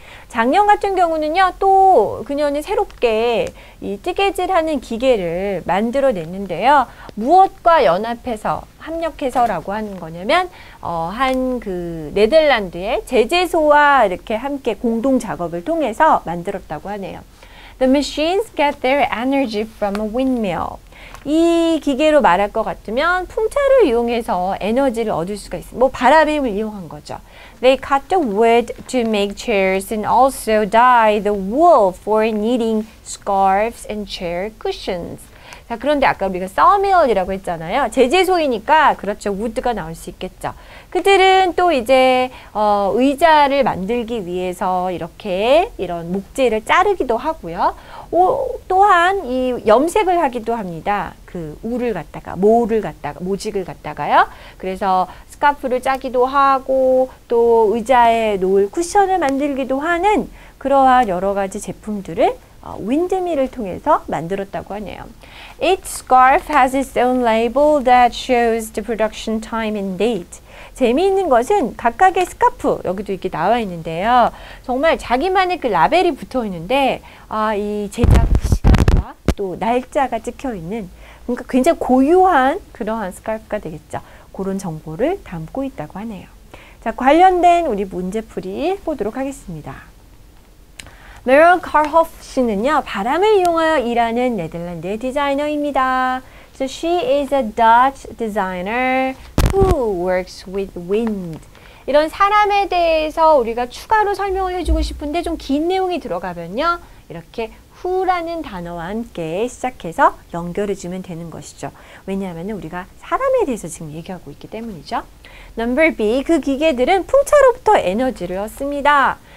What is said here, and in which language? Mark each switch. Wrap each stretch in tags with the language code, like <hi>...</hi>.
<ko>작년 같은 경우는요, 또 그녀는 새롭게 이 뜨개질 하는 기계를 만들어냈는데요. 무엇과 연합해서, 합력해서라고 하는 거냐면, 한 그 네덜란드의 제재소와 이렇게 함께 공동 작업을 통해서 만들었다고 하네요.</ko> <en>The machines get their energy from a windmill.</en> <ko>이 기계로 말할 것 같으면 풍차를 이용해서 에너지를 얻을 수가 있어요. 뭐 바람의 힘을 이용한 거죠.</ko> <en>They cut the wood to make chairs and also dye the wool for knitting scarves and chair cushions.</en> <ko>자, 그런데 아까 우리가 sawmill이라고 했잖아요. 제재소이니까 그렇죠. 우드가 나올 수 있겠죠. 그들은 또 이제 의자를 만들기 위해서 이렇게 이런 목재를 자르기도 하고요. 또한 이 염색을 하기도 합니다. 그 울을 갖다가 모직을 갖다가요. 그래서 스카프를 짜기도 하고 또 의자에 놓을 쿠션을 만들기도 하는 그러한 여러 가지 제품들을 윈드밀을 통해서 만들었다고 하네요.</ko> <en>Each scarf has its own label that shows the production time and date.</en> <ko>재미있는 것은 각각의 스카프, 여기도 이렇게 나와 있는데요. 정말 자기만의 그 라벨이 붙어 있는데, 이 제작 시간과 또 날짜가 찍혀 있는, 그러니까 굉장히 고유한 그러한 스카프가 되겠죠. 그런 정보를 담고 있다고 하네요. 자, 관련된 우리 문제풀이 보도록 하겠습니다. Merle Karhoff 씨는요, 바람을 이용하여 일하는 네덜란드의 디자이너입니다.</ko> <en>So she is a Dutch designer who works with wind.</en> <ko>이런 사람에 대해서 우리가 추가로 설명을 해주고 싶은데 좀 긴 내용이 들어가면요, 이렇게 who라는 단어와 함께 시작해서 연결해주면 되는 것이죠. 왜냐하면 우리가 사람에 대해서 지금 얘기하고 있기 때문이죠. Number B, 그 기계들은 풍차로부터 에너지를 얻습니다.</ko>